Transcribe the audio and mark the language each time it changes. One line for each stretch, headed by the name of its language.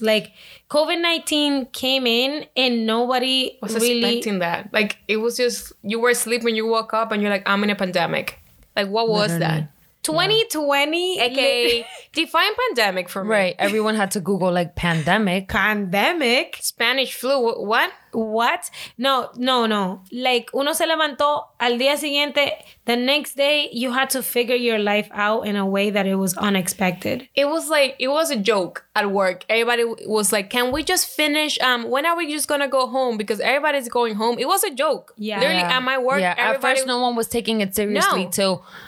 English: Like, COVID-19 came in and nobody was expecting that. Like, it was just, you were asleep when you woke up and you're like, I'm in a pandemic. Like, what was that? 2020, okay. Define pandemic for me. Right. Everyone had to Google like pandemic. Pandemic? Spanish flu. What? What? No.
Spanish: Like, uno se levantó al día siguiente.
English: The next day, you had to figure your life out in a way that it was unexpected. It was like, it was a joke at work. Everybody was like, can we just finish? When are we just going to go home? Because everybody's going home. It was a joke. Yeah. Literally, yeah. At my work. Yeah. At first, no one was taking it seriously till.